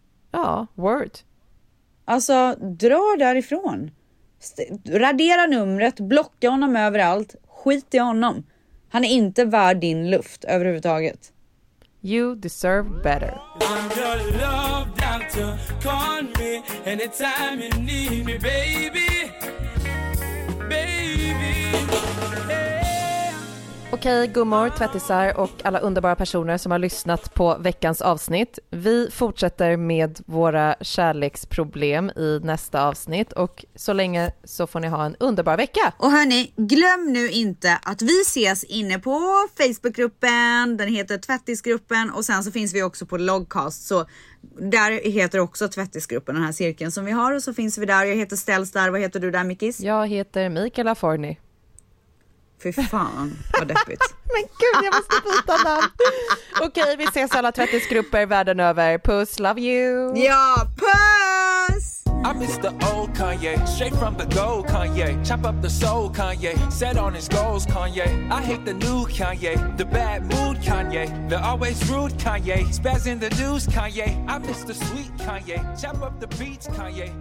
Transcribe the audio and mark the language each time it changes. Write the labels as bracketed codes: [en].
[sv] Ja, word. Alltså, dra därifrån. Radera numret, blocka honom överallt, skit i honom. Han är inte värd din luft överhuvudtaget. [en] You deserve better. I'm your love doctor. Call me anytime you need me, baby. Baby. [sv] Okej, gummor, tvättisar och alla underbara personer som har lyssnat på veckans avsnitt. Vi fortsätter med våra kärleksproblem i nästa avsnitt, och så länge så får ni ha en underbar vecka. Och hörni, glöm nu inte att vi ses inne på Facebookgruppen, den heter Tvättisgruppen, och sen så finns vi också på Logcast, så där heter också Tvättisgruppen, den här cirkeln som vi har, och så finns vi där. Jag heter Stels där, vad heter du där, Mikis? Jag heter Mikaela Forni. Fy fan, vad deppigt. Men gud, jag måste byta namn. Okej, vi ses alla tvättisgrupper världen över. Puss, [en] love you. [sv] Ja, puss! [en] I miss the old Kanye, straight from the gold Kanye. Chop up the soul Kanye, set on his goals Kanye. I hate the new Kanye, the bad mood Kanye. The always rude Kanye, spazzing the news Kanye. I miss the sweet Kanye, chop up the beats Kanye.